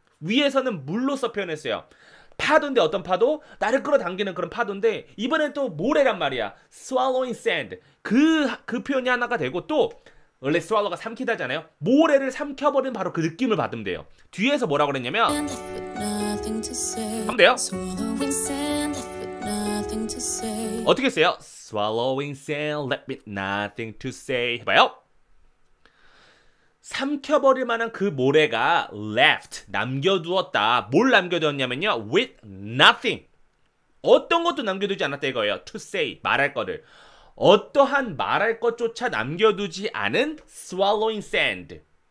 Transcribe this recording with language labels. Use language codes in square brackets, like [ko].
[ko] 위에서는 물로서 표현했어요. 파도인데 어떤 파도? 나를 끌어당기는 그런 파도인데 이번엔 또 모래란 말이야. [en] Swallowing sand. [ko] 그 표현이 하나가 되고 또 원래 swallow가 삼키다잖아요. 모래를 삼켜버린 바로 그 느낌을 받으면 돼요. 뒤에서 뭐라고 그랬냐면 하면 돼요. [en] Swallowing sand, nothing to say. [ko] 어떻게 했어요? [en] Swallowing sand, let me nothing to say. [ko] 해봐요. 삼켜버릴 만한 그 모래가 left, 남겨두었다. 뭘 남겨두었냐면요. [en] with nothing. [ko] 어떤 것도 남겨두지 않았다 이거예요. to say, 말할 거를. 어떠한 말할 것조차 남겨두지 않은 [en] swallowing sand.